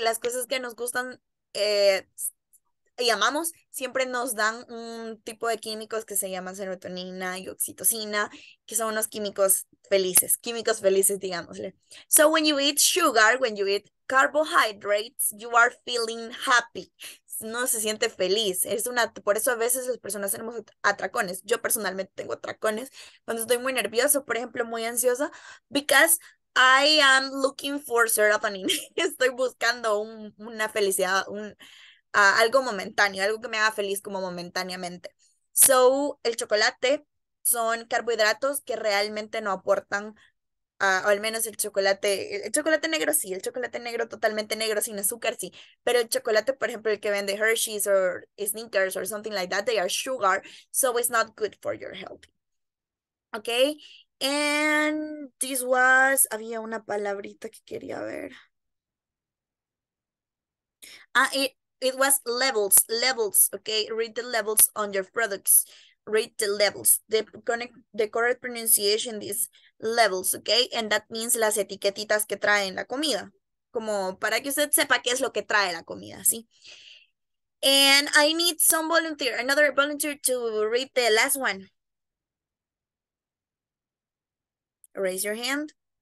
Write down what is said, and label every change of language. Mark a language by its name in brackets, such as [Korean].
[Spanish] Las cosas que nos gustan y amamos, siempre nos dan un tipo de químicos que se llaman serotonina y oxitocina, que son unos químicos felices, digámosle. [English] So when you eat sugar, when you eat carbohydrates, you are feeling happy. [Spanish] No se siente feliz. Por eso a veces las personas tenemos atracones. Yo personalmente tengo atracones cuando estoy muy nerviosa, por ejemplo, muy ansiosa, because [English] I am looking for serotonin. [Spanish] Estoy buscando una felicidad, algo momentáneo, algo que me haga feliz como momentáneamente. So, el chocolate son carbohidratos que realmente no aportan, o al menos el chocolate negro sí, el chocolate negro totalmente negro sin azúcar sí, pero el chocolate, por ejemplo, el que vende Hershey's [English] or Snickers or something like that, they are sugar, so it's not good for your health. [Spanish] Okay, [English] and this was, [Spanish] había una palabrita que quería ver. [English] It was levels, levels, okay? Read the levels on your products. Read the levels. The correct pronunciation is levels, okay? And that means [Spanish] las etiquetitas que traen la comida. Como para que usted sepa qué es lo que trae la comida, ¿sí? [English] And I need some volunteer, another volunteer to read the last one. Raise your hand.